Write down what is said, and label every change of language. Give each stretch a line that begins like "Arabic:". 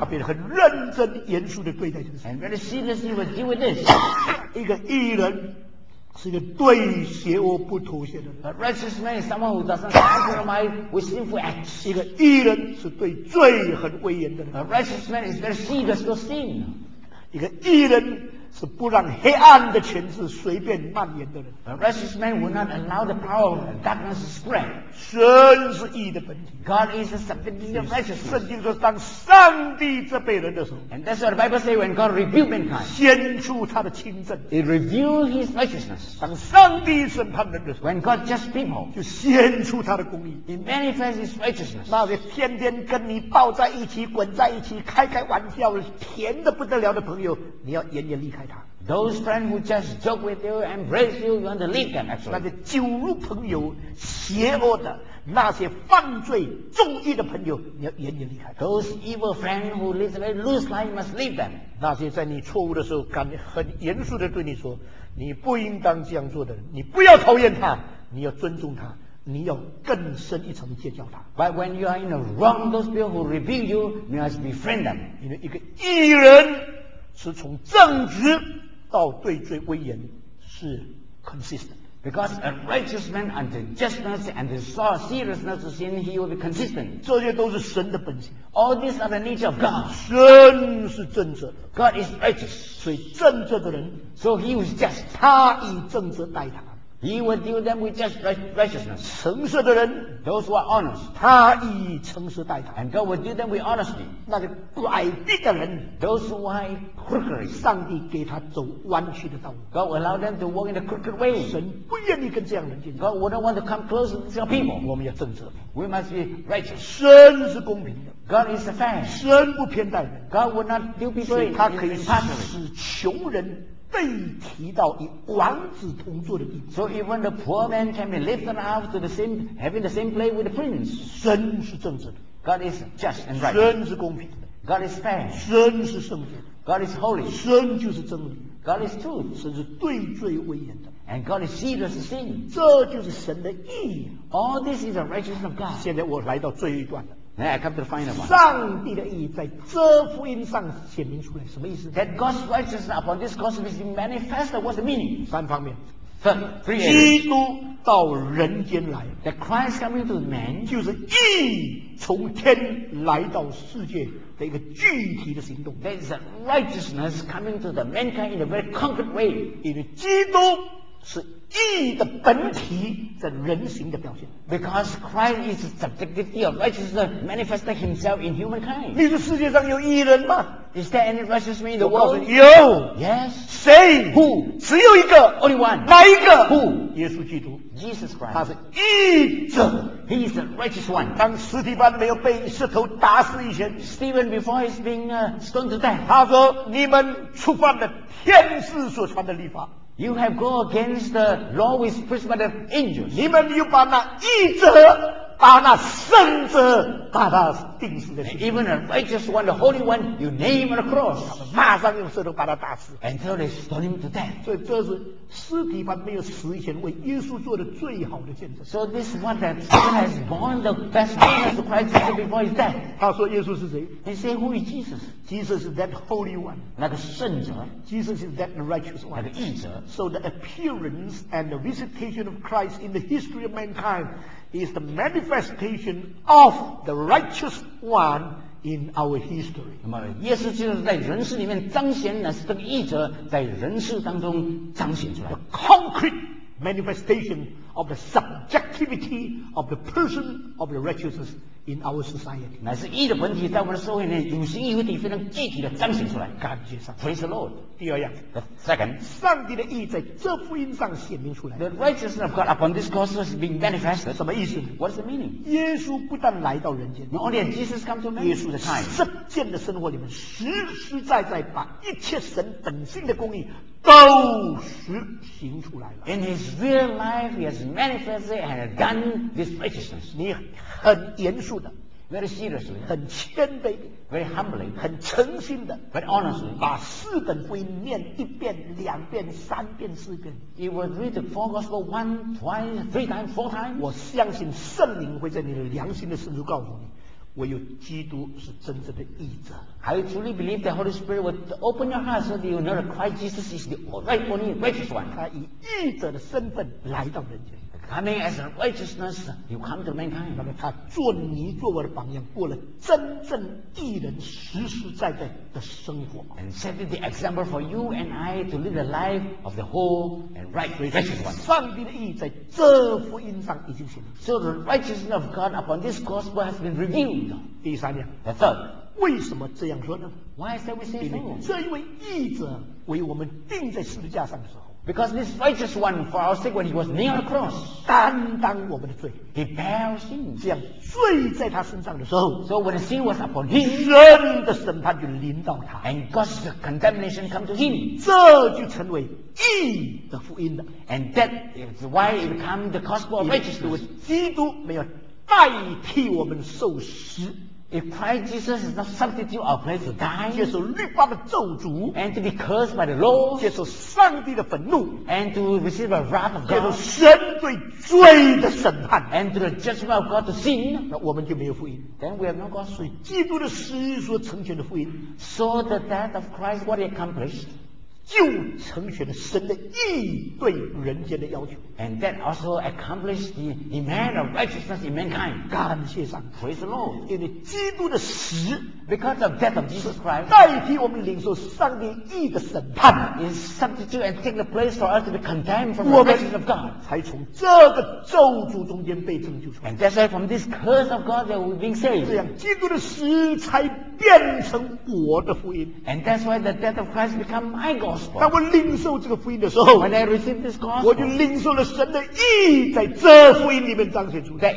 Chinese: 他变得很认真、严肃地对待这个事。
English: And very seriously will deal with this.
Chinese: 一个义人是一个对邪恶不妥协的人。
English: A righteous man is someone who doesn't compromise with sinful acts.
Chinese: 一个义人是对罪很威严的人。
English: A righteous man is very serious to sin.
Chinese: 一个义人是不让黑暗的权势随便蔓延的人。
English: A righteous man will not allow the power of darkness to spread.
Chinese: 神是义的本体。
English: God is the subject of righteousness.
Chinese: 圣经说，当上帝责备人的时候
English: ，And that's what the Bible says when God rebukes mankind.
Chinese: 显出他的清正。
English: It reveals His righteousness.
Chinese: 当上帝审判人的时候
English: ，When God judges people,
Chinese: 就显出他的公义。
English: It manifests His righteousness.
Chinese: 那些天天跟你抱在一起、滚在一起、开开玩笑、甜的不得了的朋友，你要严严厉开他。
English: Those friends who just joke with you, embrace you, you want to leave them actually.
Chinese: 那些酒肉朋友、邪恶的、那些犯罪、重义的朋友，你要严严厉开。
English: Those evil friends who live a very loose life, you must leave them.
Chinese: 那些在你错误的时候，敢很严肃的对你说，你不应当这样做的人，你不要讨厌他，你要尊重他。你要更深一层戒教他。
English: But when you are in the wrong, those people who rebuke you, you must befriend them.
Chinese: 因为一个义人是从正直到对罪威严是 consistent.
English: Because a righteous man unto justness and the seriousness of sin, he will be consistent.
Chinese: 这些都是神的本性。
English: All these are the nature of God.
Chinese: 神是正直的。
English: God is righteous.
Chinese: 所以正直的人
English: ，so he was just.
Chinese: 他以正直待他。
English: He will deal them with just righteousness.
Chinese: 诚实的人
English: ，those who are honest，
Chinese: 他以诚实待他。
English: And God will deal them with honesty.
Chinese: 那个拐弯的人
English: ，those who are crooked，
Chinese: 上帝给他走弯曲的道路。
English: God will allow them to walk in the crooked way.
Chinese: 神不愿意跟这样人接近。
English: God would not want to come close to such people.
Chinese: 我们要正直。
English: We must be righteous.
Chinese: 神是公平的。
English: God is fair.
Chinese: 神不偏待人。
English: God will not deal between
Chinese: him. 他可以使穷人。被提到以王子同坐的地
English: 方 ，so even the poor man can be lifted up to the same, having the same place with the prince.
Chinese: 神是正直的
English: ，God is just and right.
Chinese: 神是公平的
English: ，God is fair.
Chinese: 神是圣洁的
English: ，God is holy.
Chinese: 神就是真理
English: ，God is truth.
Chinese: 神是对罪威严的
English: ，and God is serious sin.
Chinese: 这就是神的义。
English: All this is the righteousness of God.
Chinese: 现在我来到最后一段了。
English: Now I come to the final one.
Chinese: 上帝的义在这福音上显明出来，什么意思
English: ？That God's righteousness upon this gospel is manifested. What's the meaning?
Chinese: 三方面。
English: Three.
Chinese: 基督到人间来。
English: That Christ coming to man
Chinese: 就是义从天来到世界的一个具体的行动。
English: That is a righteousness coming to the mankind in a very concrete way.
Chinese: 因为基督是义的本体的人形的表现
English: ，because Christ is the subjectivity of righteousness manifesting himself in humankind。
Chinese: 你说世界上有义人吗
English: ？Is there any righteousness in the world？
Chinese: 有
English: ，Yes。
Chinese: 谁
English: ？Who？
Chinese: 只有一个
English: ，Only one。
Chinese: 哪一个
English: ？Who？
Chinese: 耶稣基督
English: ，Jesus Christ。
Chinese: 他是义者
English: ，He is the righteous one。
Chinese: 当斯提班没有被石头打死以前
English: ，Stephen before he's being stoned to death，
Chinese: 他说：“你们触犯了天使所传的律法。”
English: You have gone against the law with prescribed of angels.
Chinese: 你们又把那义者，把那圣者，把他钉死在。
English: Even a righteous one, the holy one, you nail on the cross.
Chinese: 马上用石头把他打死。
English: And so they stone him to death.
Chinese: 所以这是斯提凡没有死以前为耶稣做的最好的见证。
English: So this is what that Stephen has borne the best witness of Christ before his death.
Chinese: 他说耶稣是谁
English: ？He said who is Jesus? Jesus is that holy one.
Chinese: 那个圣者。
English: Jesus is that righteous one.
Chinese: 那个义者。
English: So the appearance and the visitation of Christ in the history of mankind. Is the manifestation of the righteous one in our history.
Chinese: 那么，耶稣基督在人世里面彰显的是这个义者在人世当中彰显出来。
English: The concrete manifestation of the subjectivity of the person of the righteousness in our society.
Chinese: 乃是义的本体在我们的社会内有形有体非常具体的彰显出来。感谢上帝。
English: Praise the Lord.
Chinese: 第二样。
English: The second.
Chinese: 上帝的义在这福音上显明出来。
English: The righteousness of God upon this gospel has been manifested.
Chinese: 什么意思
English: ？What is the meaning?
Chinese: 耶稣不但来到人间
English: ，Not only did Jesus come to man.
Chinese: 耶稣在实践的生活里面，实实在在把一切神本性的公义。都实行出来了。
English: In his real life, he has manifested and done this righteousness.
Chinese: 你很严肃的
English: ，very seriously，
Chinese: 很谦卑
English: ，very humbly，
Chinese: 很诚心的
English: ，very honestly，
Chinese: 把四本福音念一遍、两遍、三遍、四遍。
English: He will read the four gospel one, twice, three times, four times.
Chinese: 我相信圣灵会在你的良心的深处告诉你。唯有基督是真正的义者。
English: I truly believe the Holy Spirit would open your heart so that you know that Christ Jesus is the right only righteous one.
Chinese: 他以义者的身份来到人间。
English: coming as righteousness, you come to mankind.
Chinese: 那么他做你做我的榜样，过了真正义人实实在在的生活。
English: And set the example for you and I to live the life of the whole and right righteous one.
Chinese: 上帝的义在这福音上已经显明。
English: So the righteousness of God upon this gospel has been revealed.
Chinese: 第三点。
English: The third.
Chinese: 为什么这样说呢
English: ？Why shall we say so？
Chinese: 这一位义者为我们钉在十字架上的时候
English: ，Because this righteous one for our sake when he was nailed on the cross，
Chinese: 担当我们的罪
English: ，He bore sin，
Chinese: 这样罪在他身上的时候
English: ，So when the sin was upon him，
Chinese: 人的审判就临到他
English: ，And God's condemnation come to him，
Chinese: 这就成为义的福音了
English: ，And that is why it become the gospel of righteousness。
Chinese: 基督没有代替我们受死。
English: If Christ Jesus is not substitute our place to die,
Chinese: 接受律法的咒诅
English: and to be cursed by the law,
Chinese: 接受上帝的愤怒
English: and to receive the wrath of God,
Chinese: 接受神对罪的审判
English: and to the judgment of God to sin,
Chinese: 那我们就没有福音
English: then we have no gospel.
Chinese: 所以基督的死所成全的福音
English: so the death of Christ, what he accomplished,
Chinese: 就成全了神的义对人间的要求
English: and that also accomplished the demand of righteousness in mankind
Chinese: 感谢上
English: praise the Lord
Chinese: 因为基督的死
English: because of death of Jesus Christ
Chinese: 代替我们领受上帝义的审判
English: is substitute and take the place for us to be condemned from the righteousness of God
Chinese: 才从这个咒诅中间被拯救出来
English: and that's why from this curse of God that we've been saved
Chinese: 这样基督的死才变成我的福音
English: and that's why the death of Christ become my gospel
Chinese: 当我领受这个福音的时候
English: When I receive this gospel,
Chinese: 我就领受了神的义在这福音里面彰显出来